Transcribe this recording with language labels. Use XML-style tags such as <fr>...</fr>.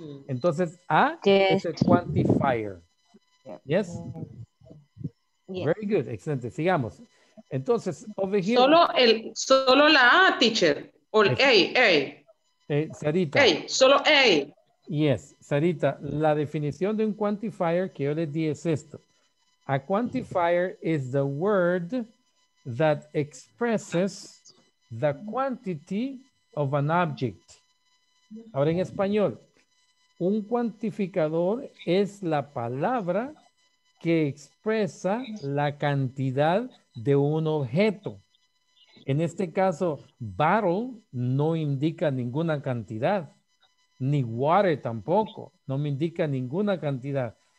<es>Entonces, A es el quantifier. ¿Yes?</es> <en>Very good.</en> <es>Excelente. Sigamos.</es> <en>Entonces, over here.</en> <es>Solo la A, teacher. O el A. Sarita. Solo A.</es> <en>Yes.</en> <es>Sarita, la definición de un quantifier que yo les di es esto.</es> <en>A quantifier is the word that expresses the quantity of an object.</en> <es>Ahora en español, un cuantificador es la palabra que expresa la cantidad de un objeto. En este caso, bottle no indica ninguna cantidad, ni water tampoco, no me indica ninguna cantidad.</es>